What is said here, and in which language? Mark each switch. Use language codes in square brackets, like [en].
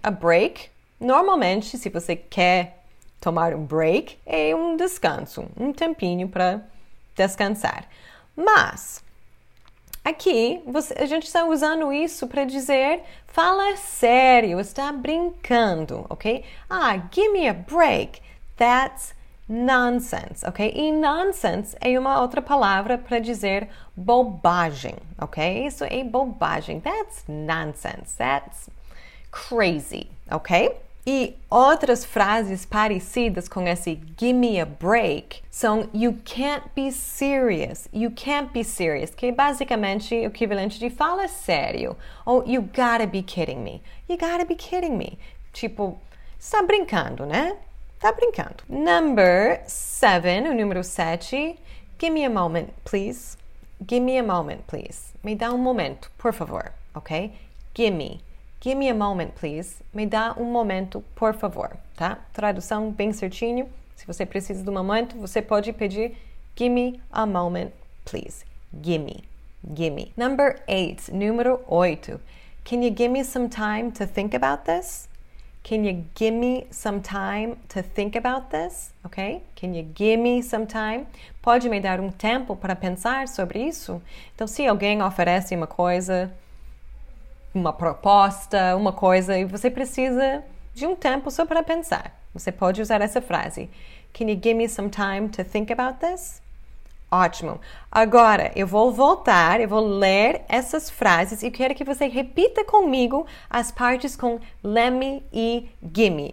[pt] A break, normalmente, se você quer tomar break, é descanso. Tempinho para descansar. Mas, aqui, a gente está usando isso para dizer, fala sério, está brincando, ok? [en] Ah, give me a break, that's nonsense, ok? [pt] E nonsense é uma outra palavra para dizer bobagem, ok? Isso é bobagem, [en] that's nonsense, that's crazy, ok? [pt] E outras frases parecidas com esse give me a break são [en] you can't be serious, you can't be serious, [pt] que é basicamente o equivalente de fala sério, ou [en] you gotta be kidding me, [pt] you gotta be kidding me. Tipo, está brincando, né? Está brincando. [en] Number 7, o número 7, give me a moment, please. Give me a moment, please. [pt] Me dá um momento, por favor, [en] ok? Give me. Give me a moment, please. [pt] Me dá momento, por favor, [en] tá? [pt] Tradução bem certinho. Se você precisa de momento, você pode pedir [en] give me a moment, please. Give me. Give me. Number 8. Número 8. Can you give me some time to think about this? Can you give me some time to think about this? Ok? Can you give me some time? [pt] Pode me dar tempo para pensar sobre isso? Então, se alguém oferece uma coisa, uma proposta, uma coisa, e você precisa de tempo só para pensar. Você pode usar essa frase. [en] Can you give me some time to think about this? [pt] Ótimo. Agora, eu vou voltar, eu vou ler essas frases e quero que você repita comigo as partes com lemme e gimme.